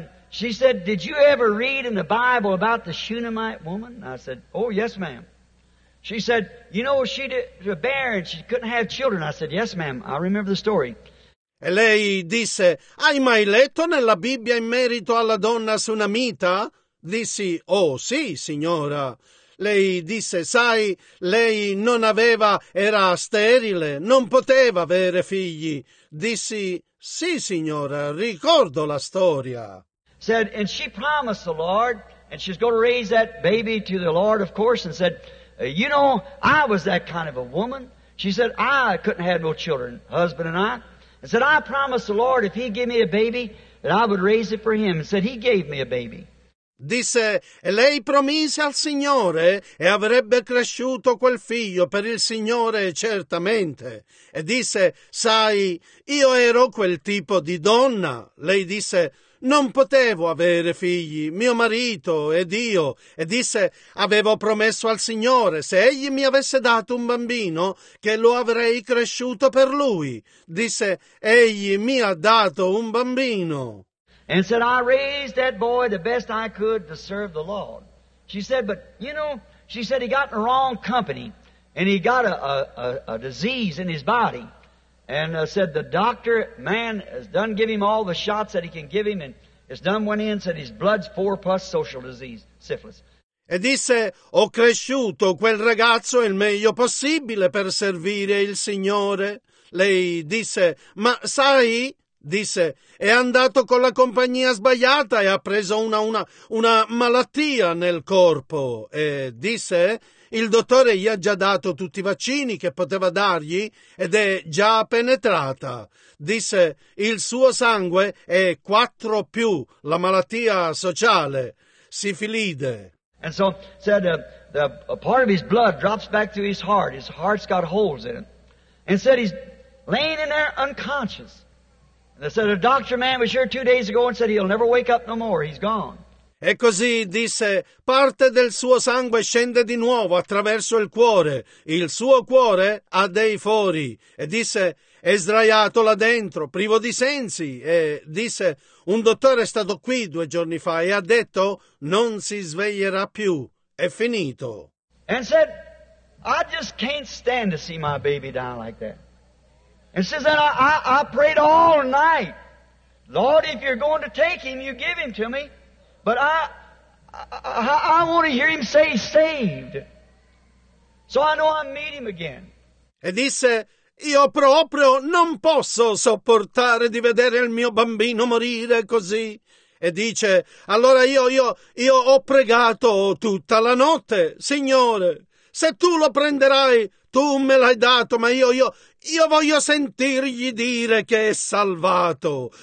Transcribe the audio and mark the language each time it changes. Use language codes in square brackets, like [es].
[en] She said, "Did you ever read in the Bible about the Shunammite woman?" I said, "Oh, yes, ma'am." She said, "You know, she was a barren, she couldn't have children." I said, "Yes, ma'am, I remember the story." [it] E lei disse, "Hai mai letto nella Bibbia in merito alla donna sunamita?" Dissi, "Oh, sì, signora." Lei disse, "Sai, lei non aveva, era sterile, non poteva avere figli." Dissi, "Sì, signora, ricordo la storia." [en] Said, and she promised the Lord, and she's going to raise that baby to the Lord, of course, and said, "You know, I was that kind of a woman." She said, "I couldn't have no children, husband and I." And said, "I promised the Lord if he'd give me a baby, that I would raise it for him." And said, "He gave me a baby." [it] Disse, e lei promise al Signore e avrebbe cresciuto quel figlio per il Signore certamente. E disse, "Sai, io ero quel tipo di donna." Lei disse, "Non potevo avere figli, mio marito ed io." E disse, "Avevo promesso al Signore, se egli mi avesse dato un bambino, che lo avrei cresciuto per lui." Disse, "Egli mi ha dato un bambino." [en] And said, "I raised that boy the best I could to serve the Lord." She said, "But, you know," she said, "he got in the wrong company, and he got a disease in his body." And said, "The doctor, man, has done give him all the shots that he can give him, and has done went in, said his blood's 4+ social disease, syphilis." [it] E disse, "Ho cresciuto quel ragazzo il meglio possibile per servire il Signore." Lei disse, "Ma sai," disse, "è andato con la compagnia sbagliata e ha preso una malattia nel corpo." E disse, "Il dottore gli ha già dato tutti i vaccini che poteva dargli ed è già penetrata." Disse, "Il suo sangue è 4+, la malattia sociale, sifilide." [en] And so said, a part of his blood drops back to his heart. His heart's got holes in it. And said, he's laying in there unconscious. They said, "A doctor man was here 2 days ago and said he'll never wake up no more. He's gone." [it] E così disse, parte del suo sangue scende di nuovo attraverso il cuore. Il suo cuore ha dei fori. E disse, è sdraiato là dentro, privo di sensi. E disse, un dottore è stato qui 2 giorni fa e ha detto, non si sveglierà più. È finito. [en] And said, "I just can't stand to see my baby die like that." And says that I prayed all night, "Lord, if you're going to take him, you give him to me. But I want to hear him say he's saved, so I know I meet him again." [it] E disse, "Io proprio non posso sopportare di vedere il mio bambino morire così." E dice, "Allora io ho pregato tutta la notte, Signore. Se tu lo prenderai, tu me l'hai dato, ma io voglio sentirgli dire che è salvato.